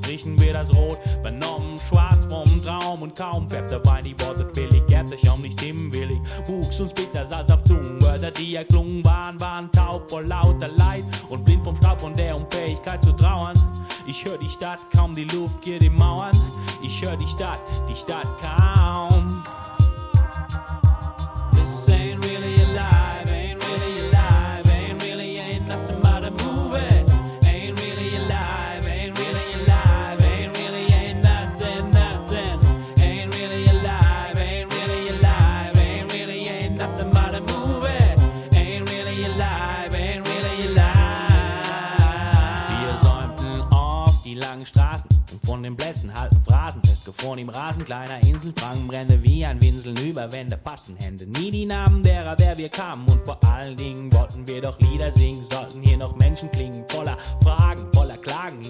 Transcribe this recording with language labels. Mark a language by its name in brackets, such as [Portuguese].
[German] Strichen wir das Rot, benommen, schwarz vom Traum und kaum färbt dabei die Worte billig, gärt euch auch nicht himmelig, wuchs uns bitter Salz auf Zungen. Wörter, die erklungen waren, waren taub vor lauter Leid und blind vom Staub und der Unfähigkeit zu trauern. Ich hör die Stadt, kaum die Luft geht den Mauern. Ich hör die Stadt kaum. [English] This ain't really alive, ain't really alive, ain't really ain't nothing but a movie. Ain't really alive, ain't really alive, ain't really ain't nothing, nothing. Ain't really alive, ain't really alive, ain't really ain't nothing but a movie. Ain't really alive, ain't really alive. [German] Wir säumten auf die langen Straßen und von den Blätzen halten Phrasen. Gefroren im Rasen kleiner Inseln, Frankenbrände wie ein Winseln, über Wände passen Hände. Nie die Namen derer, der wir kamen. Und vor allen Dingen wollten wir doch Lieder singen. Sollten hier noch Menschen klingen, voller Fragen, voller Klagen.